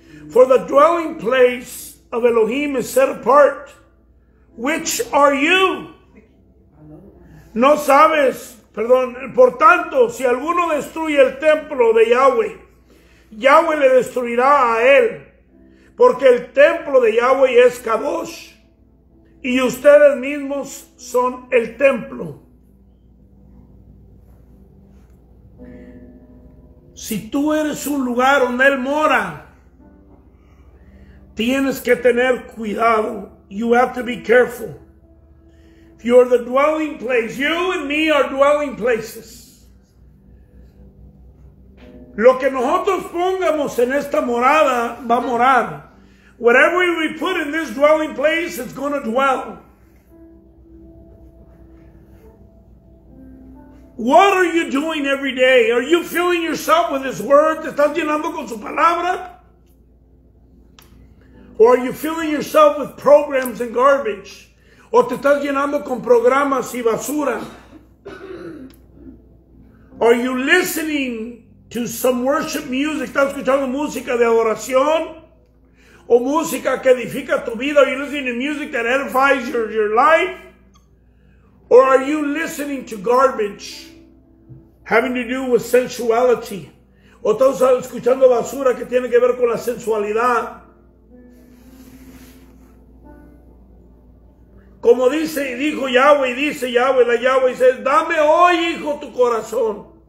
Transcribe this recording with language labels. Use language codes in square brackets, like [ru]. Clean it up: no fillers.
[en] For the dwelling place of Elohim is set apart. Which are you? [es] ¿No sabes? Perdón, por tanto, si alguno destruye el templo de Yahweh, Yahweh le destruirá a él, porque el templo de Yahweh es Kadosh, y ustedes mismos son el templo. Si tú eres un lugar donde él mora, tienes que tener cuidado. [en] You have to be careful. You're the dwelling place. You and me are dwelling places. [es] Lo que nosotros pongamos en esta morada va a morar. [en] Whatever we put in this dwelling place, it's going to dwell. What are you doing every day? Are you filling yourself with His Word? [es] ¿Te estás llenando con su palabra? [en] ¿O are you filling yourself with programs and garbage? [es] ¿O te estás llenando con programas y basura? [en] ¿Are you listening to some worship music? [es] ¿Estás escuchando música de adoración? ¿O música que edifica tu vida? [en] ¿Are you listening to music that edifies your life? ¿Or are you listening to garbage having to do with sensuality? [es] ¿O estás escuchando basura que tiene que ver con la sensualidad? Como dice y dijo Yahweh, dice Yahweh, la [en] Yahweh says, [es] dame hoy, hijo, tu corazón.